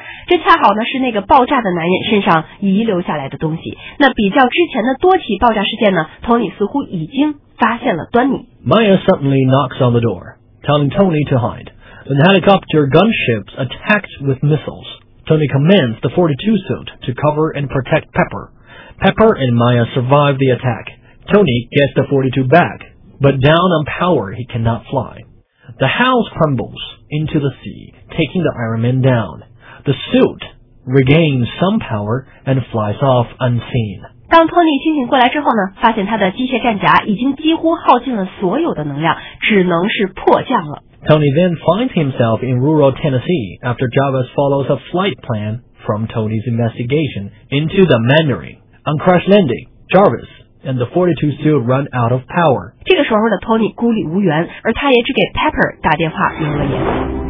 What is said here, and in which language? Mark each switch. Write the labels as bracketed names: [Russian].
[Chinese] 这恰好呢是那个爆炸的男人身上遗留下来的东西。那比较之前的多起爆炸事件呢 ，Tony 似乎已经发现了端倪。 [English] Maya suddenly knocks on the door, telling Tony to hide. When the helicopter gunships attacked with missiles, Tony commands the 42 suit to cover and protect Pepper. Pepper and Maya survive the attack. Tony gets the 42 back, but down on power he cannot fly. The house crumbles into the sea, taking the Iron Man down. The suit regains some power and flies off unseen. [Chinese] 当托尼清醒过来之后呢，发现他的机械战甲已经几乎耗尽了所有的能量，只能是迫降了。 [English] Tony then finds himself in rural Tennessee after Jarvis follows a flight plan from Tony's investigation into the Mandarin. On crash landing, Jarvis and the 42 still run out of power. [Chinese] 这个时候的 Tony 孤立无援，而他也只给 Pepper 打电话留了言。